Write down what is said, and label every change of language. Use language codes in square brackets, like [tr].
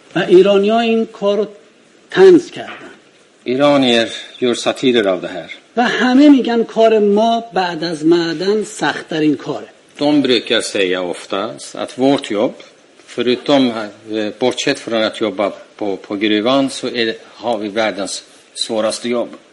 [fa] و ایرانی‌ها این کارو طنز کردن. [sv] Iranier gör satirer av det här. [fa] و همه میگن کار ما بعد از معدن سخت‌ترین کاره. [sv] De brukar säga oftast att vårt jobb, förutom bortsett från att jobba på gruvan, så är, har vi världens svåraste jobb.